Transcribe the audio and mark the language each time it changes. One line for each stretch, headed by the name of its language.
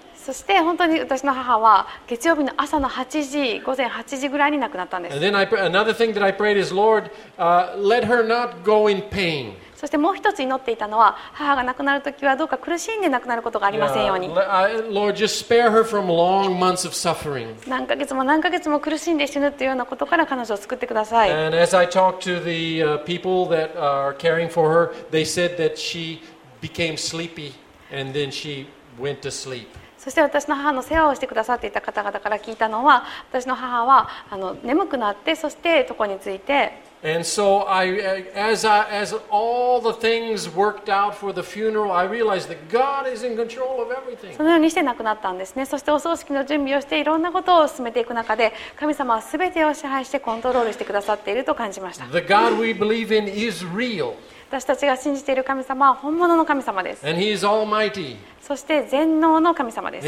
Japanese: そして本当に私の母は月曜日の朝の8時、午前8時ぐらいに亡くなったんです。
English: And then I pray, another thing that I prayed is, Lord, let her not go in pain.
Japanese: そしてもう一つ祈っていたのは、母が亡くなるときはどうか苦しんで亡くなることがありませんように。
English: Lord, just spare her from long months of suffering.
Japanese: 何ヶ月も何ヶ月も苦しんで死ぬというようなことから彼女を救ってください。
English: And as I talked to the people that are caring for her, they said that she became sleepy and then she went to sleep.
Japanese: そして私の母の世話をしてくださっていた方々から聞いたのは、私の母は眠くなって、そして床について。
English: And so I, as all the things worked out for the funeral, I realized that God is in control of everything.
Japanese: そのようにして亡くなったんですね。そしてお葬式の準備をしていろんなことを進めていく中で、神様はすべてを支配してコントロールしてくださっていると感じました。
English: The God we believe in is real.
Japanese: 私たちが信じている神様は本物の神様です。
English: And he is almighty.
Japanese: そして全能の神様です。